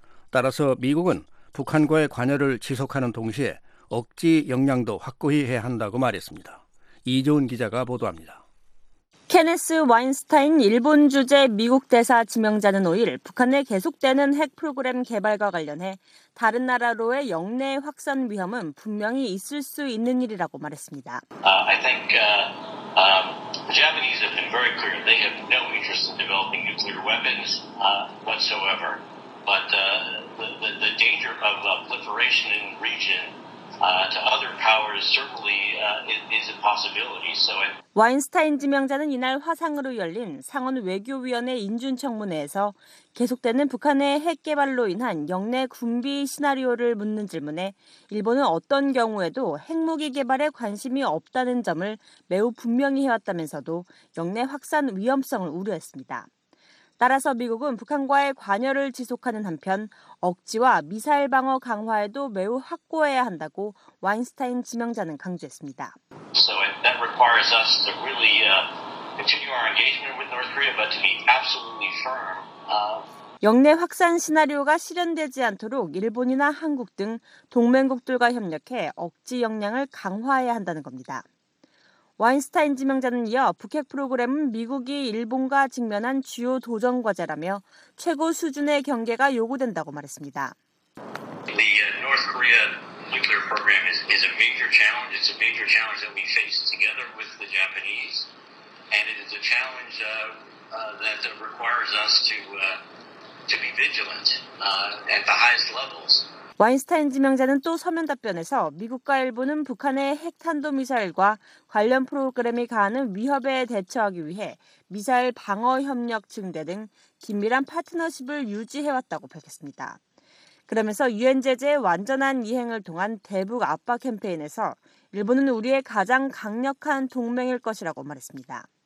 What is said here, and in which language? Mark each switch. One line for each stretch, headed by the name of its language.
Korean: 따라서 미국은 북한과의 관여를 지속하는 동시에 억지 역량도 확고히 해야 한다고 말했습니다. 이조은 기자가 보도합니다. 케네스 와인스타인 일본 주재 미국 대사 지명자는 5일 북한의 계속되는 핵 프로그램 개발과 관련해 다른 나라로의 역내 확산 위험은 분명히 있을 수 있는 일이라고 말했습니다.
English: I think the Japanese have been very clear. They have no interest in developing nuclear weapons whatsoever. But the danger of proliferation in the region to other powers certainly is a possibility. So
Korean: 와인스타인 지명자는 이날 화상으로 열린 상원 외교위원회 인준청문회에서 계속되는 북한의 핵 개발로 인한 역내 군비 시나리오를 묻는 질문에 일본은 어떤 경우에도 핵무기 개발에 관심이 없다는 점을 매우 분명히 해왔다면서도 역내 확산 위험성을 우려했습니다. 따라서 미국은 북한과의 관여를 지속하는 한편 억지와 미사일 방어 강화에도 매우 확고해야 한다고 와인스타인 지명자는 강조했습니다.
English: So that requires us to really continue our engagement with North Korea, but to be absolutely firm.
Korean: 역내 확산 시나리오가 실현되지 않도록 일본이나 한국 등 동맹국들과 협력해 억지 역량을 강화해야 한다는 겁니다. 와인스타인 지명자는 이어 북핵 프로그램은 미국이 일본과 직면한 주요 도전 과제라며 최고 수준의 경계가 요구된다고 말했습니다.
English: The North Korea nuclear program is a major challenge. It's a major challenge that we face together with the Japanese. And it is a challenge that requires us to be vigilant at the highest levels.
Korean: 와인스타인 지명자는 또 서면 답변에서 미국과 일본은 북한의 핵탄도미사일과 관련 프로그램이 가하는 위협에 대처하기 위해 미사일 방어 협력 증대 등 긴밀한 파트너십을 유지해왔다고 밝혔습니다. 그러면서 유엔 제재 완전한 이행을 통한 대북 압박 캠페인에서 일본은 우리의 가장 강력한 동맹일 것이라고 말했습니다.